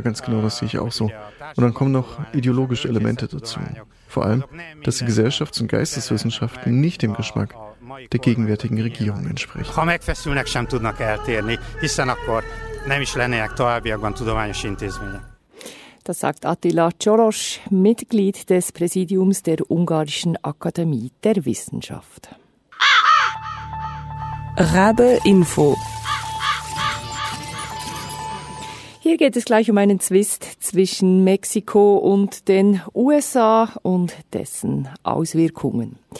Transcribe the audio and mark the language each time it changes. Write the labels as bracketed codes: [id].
[de] ganz genau, das sehe ich auch so. Und dann kommen noch ideologische Elemente dazu. Vor allem, dass die Gesellschafts- und Geisteswissenschaften nicht dem Geschmack der gegenwärtigen Regierung entsprechen. [hu] Ha megfeszülnek, sem tudnak eltérni, hiszen akkor nem is lennének továbbiakban tudományos intézmények. [de] Das sagt Attila Csoros, Mitglied des Präsidiums der Ungarischen Akademie der Wissenschaft. Rabe Info. Hier geht es gleich um einen Zwist zwischen Mexiko und den USA und dessen Auswirkungen.